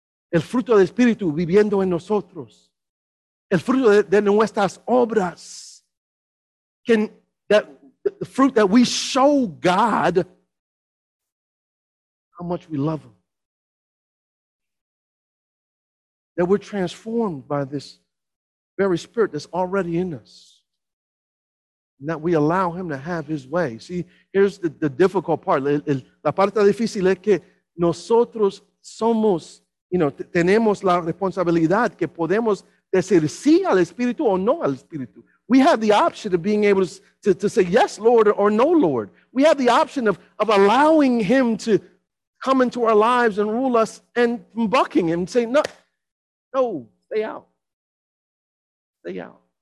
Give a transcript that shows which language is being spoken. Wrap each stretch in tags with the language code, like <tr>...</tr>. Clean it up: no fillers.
<es>El fruto del Espíritu viviendo en nosotros. El fruto de nuestras obras.</es> <en>The fruit that we show God how much we love Him. That we're transformed by this very Spirit that's already in us. And that we allow Him to have His way. See, here's the difficult part.</en> <es>La parte difícil es que nosotros somos,</es> <en>you know,</en> <es>tenemos la responsabilidad que podemos decir sí al Espíritu o no al Espíritu.</es> <en>We have the option of being able to say yes, Lord, or no, Lord. We have the option of allowing Him to come into our lives and rule us and bucking Him and say, no, no, stay out. Stay out.</en>